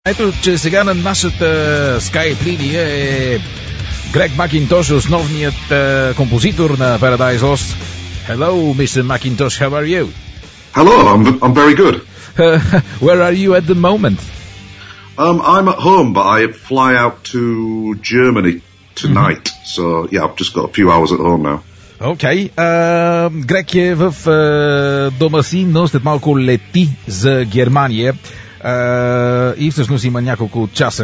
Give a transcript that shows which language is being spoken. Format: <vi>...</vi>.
<bg>Ето, че сега на нашата скайп линия е Грег Макинтош, основният композитор на Paradise Lost.</bg> <en>Hello, Mr. Макинтош, how are you? Hello, I'm very good. Where are you at the moment? I'm at home, but I fly out to Germany tonight. Mm-hmm. So, yeah, I've just got a few hours at home now.</en> <bg>Окей. Грег е в дома си, но след малко лети за Германия. И всъщност има няколко часа.</bg>